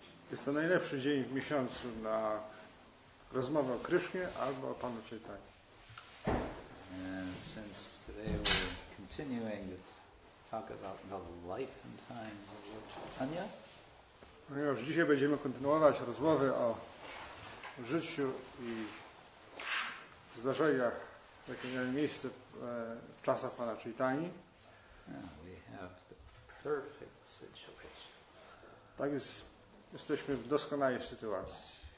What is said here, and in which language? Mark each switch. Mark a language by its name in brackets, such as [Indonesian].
[Polish] Jest to najlepszy dzień w miesiącu na rozmowę o Krysznie albo o Panu Chaitanya. [English] And since today we're continuing to talk about the life and times of Lord Chaitanya. [Polish] Ponieważ dzisiaj będziemy kontynuować rozmowy o życiu i zdarzeniach, jakie miały miejsce w czasach Pana Chaitanyi. [English] We have the perfect situation. [Polish] Tak jest, jesteśmy w doskonałej sytuacji.